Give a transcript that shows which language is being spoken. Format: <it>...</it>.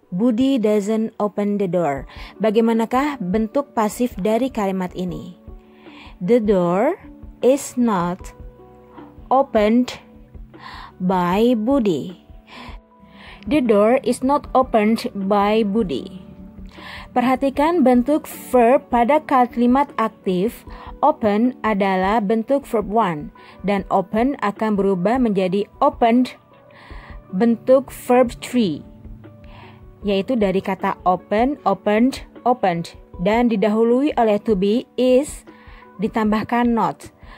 <en>Budi doesn't open the door.</en> <id>Bagaimanakah bentuk pasif dari kalimat ini?</id> <en>The door is not opened by Budi. The door is not opened by Budi.</en> <id>Perhatikan bentuk verb pada kalimat aktif, open adalah bentuk verb 1 dan open akan berubah menjadi opened bentuk verb 3, yaitu dari kata open, opened, opened, dan didahului oleh to be is ditambahkan not.</id>